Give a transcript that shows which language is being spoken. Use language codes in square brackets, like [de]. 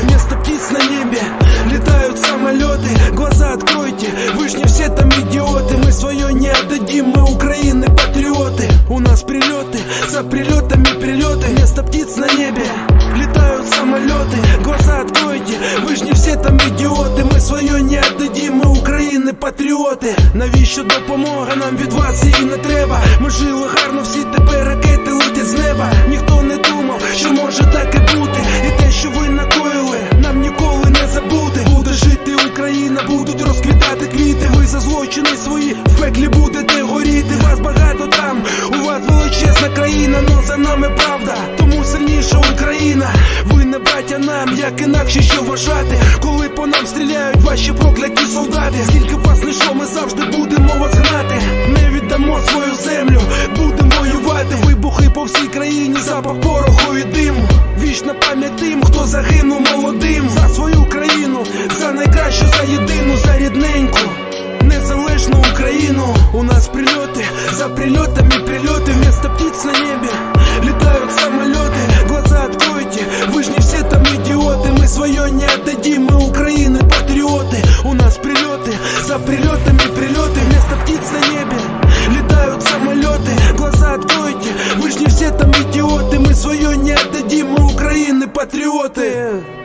[ru] Вместо птиц на небе летают самолеты. Глаза откройте, вы ж не все там идиоты. Мы свое не отдадим, мы Украины патриоты. У нас прилеты, за прилетами прилеты. Вместо птиц на небе летают самолеты. Глаза откройте, вы ж не все там идиоты. Мы свое не отдадим, мы Украины патриоты. [uk] Навіщо допомога нам від вас її не треба? Ми жили гарно, всі тепер ракети летять з неба. Ніхто не думав, що може так і бути. І те, що ви накоїли, нам ніколи не забути. Буде жити Україна, будуть розквітати квіти. Ви за злочини свої в пеклі будете горіти. Вас багато там, у вас величезна країна. Но за нами правда, тому сильніша Україна. Ви не братя нам, як інакше що вважати? Коли по нам стріляють ваші прокляті солдати. Скільки вас не шо, ми завжди будемо вас гнати. Не віддамо свою землю, будемо воювати. Вибухи по всій країні, запах пороху і диму. Вічна пам'ять тим, хто загинув молодим. За свою країну, за найкращу, за єдину, за рідненьку незалежну Україну. У нас прильоти, за прильотами прильоти. [ru] Вместо птиц на небе летают самолеты. Глаза откройте, вы ж не все там идиоты. Мы свое не отдадим, мы Украины патриоты. [uk] У нас прильоты, за прильотами прильоты. [ru] Вместо птиц на небе летают самолеты. Глаза откройте, вы ж не все там идиоты. Мы свое не отдадим, мы Украины патриоты.